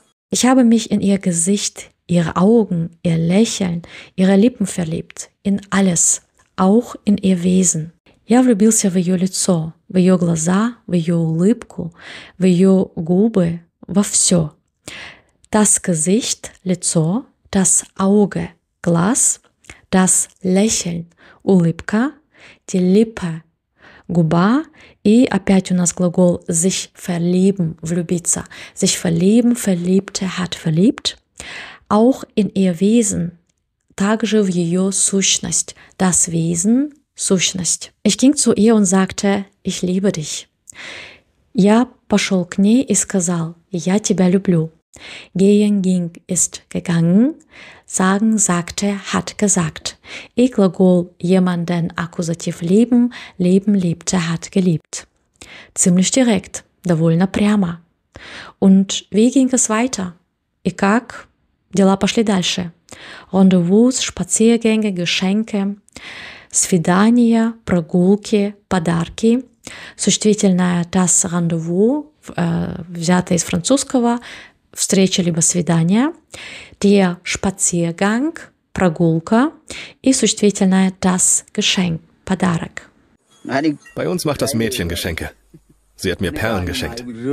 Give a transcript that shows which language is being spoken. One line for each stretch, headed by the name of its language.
German: Ich habe mich in ihr Gesicht, ihre Augen, ihr Lächeln, ihre Lippen verliebt. In alles. Auch in ihr Wesen.
Russian: Я влюбился в ее лицо, в ее глаза, в ее улыбку, в ее губы, во все.
German: Das Gesicht, лицо, das Auge, глаз, das Lächeln, улыбка, die Lippe, губа.
Russian: И опять у нас глагол
German: sich verlieben,
Russian: влюбиться.
German: Sich verlieben, verliebte, hat verliebt. Auch in ihr Wesen.
Russian: Также в ее сущность.
German: Das Wesen,
Russian: сущность.
German: Ich ging zu ihr und sagte, ich liebe dich.
Russian: Я пошел к ней и сказал, я тебя люблю.
German: Gehen ging ist gegangen. Sagen, sagte, hat gesagt.
Russian: И глагол
German: jemanden akkusativ lieben, lieben, liebte, hat geliebt. Ziemlich direkt,
Russian: довольно прямо.
German: Und wie ging es weiter?
Russian: И как? Дела пошли дальше.
German: Rendezvous, Spaziergänge, Geschenke,
Russian: свидания, прогулки, подарки. Существительное
German: das Rendezvous,
Russian: взятое из французского, встреча либо свидание.
German: Der Spaziergang,
Russian: прогулка. И существительное
German: das Geschenk,
Russian: подарок.
German: Bei uns macht das Mädchen Geschenke. Sie hat mir Perlen geschenkt.